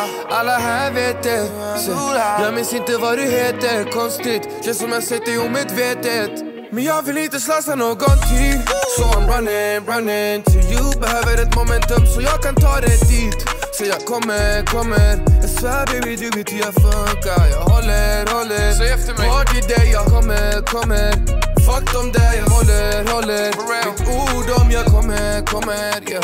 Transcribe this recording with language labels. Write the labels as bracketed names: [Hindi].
[Swedish] Alla här vet det. Säg, jag minns inte vad du heter. Konstigt, känns som jag sett dig omedvetet. Men jag vill inte slösa någon tid. [English] So I'm running, running to you. [Swedish] Behöver ett momentum så jag kan ta det dit. Så jag kommer, kommer. Jag svär baby du vet hur jag funkar. Jag håller, håller. Säg efter mig. Party day, jag kommer, kommer. Fuck dem där, jag håller, håller. Mitt ord om jag kommer, kommer.